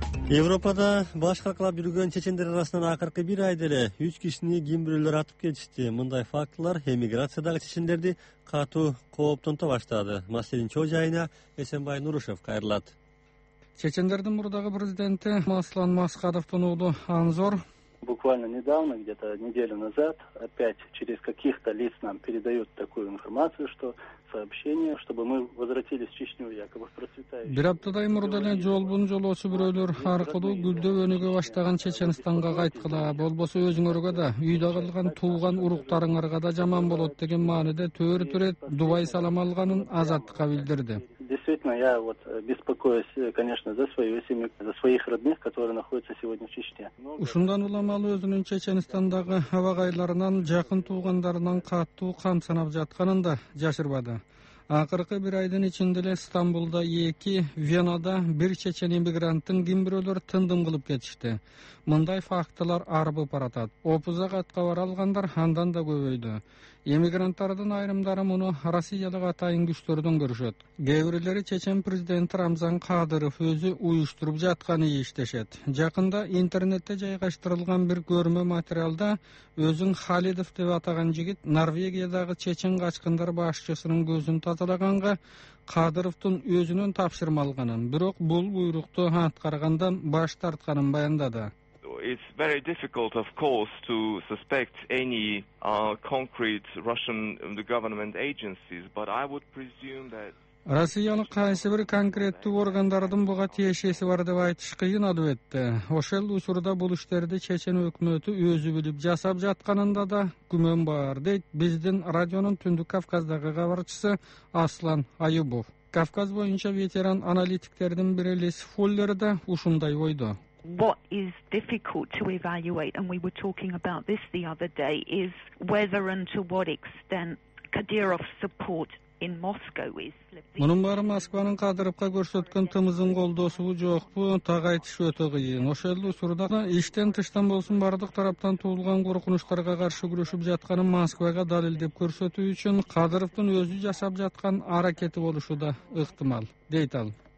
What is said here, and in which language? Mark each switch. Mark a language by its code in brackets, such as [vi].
[ky] Европада баш калкалап жүргөн чечендер арасынан акыркы бир айда эле 3 кишини ким бирөөлөр атып кетишти. Мындай фактылар эмиграциядагы чечендерди катуу кооптонто баштады. Маселин чоо жайына Эсенбай Нурушев кайрылат. Чечендердин мурдагы президенти Маслан Маскадовдун уулу Анзор [ru] буквально недавно, где-то неделю назад, опять через каких-то лиц нам передают такую информацию, что сообщение, чтобы мы возвратились в Чечню якобы в процветающую. [ky] Бир аптадай мурдана жолбун жолоосу бирөөлөр аркылуу гүлдөп өнүгө баштаган Чеченстанга кайткыла, болбосо өзүңөргө да, үйдө калган тууган уруктарыңарга да жаман болот деген мааниде төрт ирет дубай салам алганын Азаттыкка билдирди. [ru] Действительно, я вот беспокоюсь, конечно, за свою семью, за своих родных, которые находятся сегодня в Чечне. [ky] Ушундан улам ал өзүнүн Чечениндеги абагайларынан, жакын туугандарынан катуу кам санап жатканын да жашырбады. Акыркы бир айдын ичинде эле Стамбулда 2, Венада 1 чечен эмигранттын ким бирөөлөр тындым кылып кетишти. Мындай фактылар арбы паратат. Опуза катка баралгандар андан да көбөйдү. Эмигранттардын айрымдары муну Россиядагы атайын күчтөрдөн көрүшөт. Кээ бирлери чечен президенти Рамзан Кадыров өзү уюштуруп жатканы иштешет. Жакында интернетте жайгаштырылган бир көрмө материалда өзүн Халидов деп атаган жигит Норвегиядагы чечен качкындар башчысынын көзүн татылаганга Кадыровдун өзүнүн тапшырма алганын, бирок бул буйрукту аткаргандан баш тартканын баяндады. [en] It's very difficult, of course, to suspect any concrete Russian government agencies, but I would presume that... [ky] Россиянын кайсы бир конкреттүү органдардын буга тиешеси бар деп айтыш кыйын, албетте. Ошол учурда бул иштерди чечен өкмөтү өзү билип жасап жатканында да күмөн бар, дейт биздин радионун Түндүк Кавказдагы кабарчысы Аслан Аюбов. Кавказ боюнча ветеран аналитиктердин бири Лис Фуллер да ушундай ойдо. [en] What is difficult to evaluate, and we were talking about this the other day, is whether and to what extent Kadyrov's support in Moscow is... [ky] Мунун баары Москванын Кадыровго көрсөткөн тымызын колдоосубу жокпу, так айтыш өтө кыйын. Ошол эле учурда иштен тыштан болсун бардык тараптан туулган коркунучтарга каршы күрөшүп жатканын Москвага далилдеп көрсөтүү үчүн Кадыровдун өзү жасап жаткан аракети болушу да ыктымал, дейт ал.